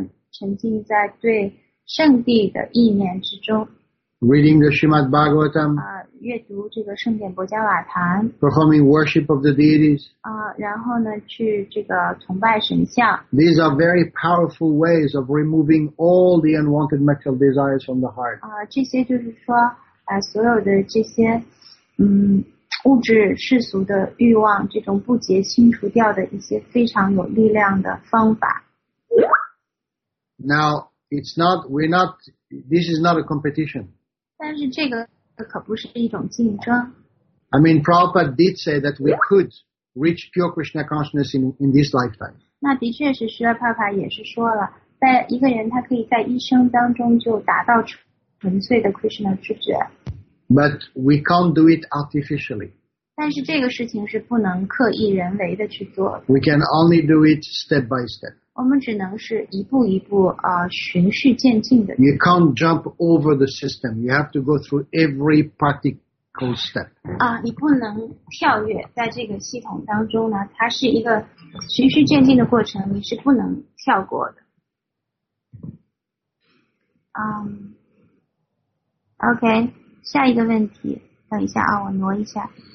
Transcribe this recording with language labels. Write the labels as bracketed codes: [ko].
[zh] 沉浸在对圣地的意念之中。 [en] Reading the Srimad Bhagavatam. [zh] 阅读这个圣典博迦瓦坛。 [en] Performing worship of the deities. [zh] 然后呢，去这个崇拜神像。 [en] These are very powerful ways of removing all the unwanted material desires from the heart. [zh] 这些就是说，所有的这些，物质世俗的欲望，这种不洁清除掉的一些非常有力量的方法。 [en] Now it's not. We're not. This is not a competition. [zh] 但是这个可不是一种竞争。 [en] I mean, Prabhupada did say that we could reach pure Krishna consciousness in this lifetime. [zh] 那的确是Srila Prabhupada也是说了，在一个人他可以在一生当中就达到纯粹的 Krishna 知觉。 [en] But we can't do it artificially. [zh] 但是这个事情是不能刻意人为的去做的。 [en] We can only do it step by step. [zh] 我们只能是一步一步循序渐进的。 [en] You can't jump over the system. You have to go through every practical step. [zh] 你不能跳跃在这个系统当中呢，它是一个循序渐进的过程，你是不能跳过的。 OK， 下一个问题，等一下啊，我挪一下。